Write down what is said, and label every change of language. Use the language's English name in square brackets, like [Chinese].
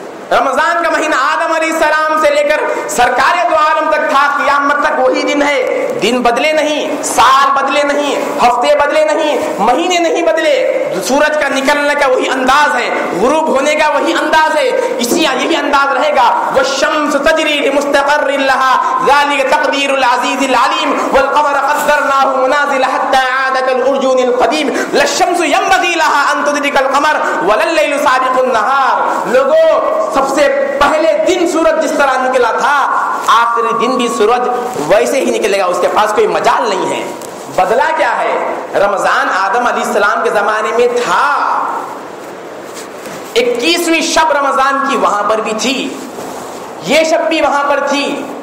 [Urdu] رمضان کا مہینہ آدم علیہ السلام سے لے کر سرکار دو عالم تک تھا, قیامت تک وہی دن ہے. دن بدلے نہیں, سال بدلے نہیں, ہفتے بدلے نہیں, مہینے نہیں بدلے. سورج کا نکلنے کا وہی انداز ہے, غروب ہونے کا وہی انداز ہے, اسی یہی انداز رہے گا. [Arabic] والشمس تجری لمستقر لها ذلک تقدیر العزیز العلیم والقمر قدرناه منازل حتى عاد كالعرجون القدیم للشمس ينبغي لها ان تدرك القمر ولا الليل سابق النهار. [Urdu] لوگو سب سے پہلے دن سورج جس طرح نکلا تھا, آخری دن بھی سورج ویسے ہی نکلے گا, اس کے پاس کوئی مجال نہیں ہے. بدلا کیا ہے؟ رمضان آدم علیہ السلام کے زمانے میں تھا, 21ویں شب رمضان کی وہاں پر بھی تھی, یہ شب بھی وہاں پر تھی.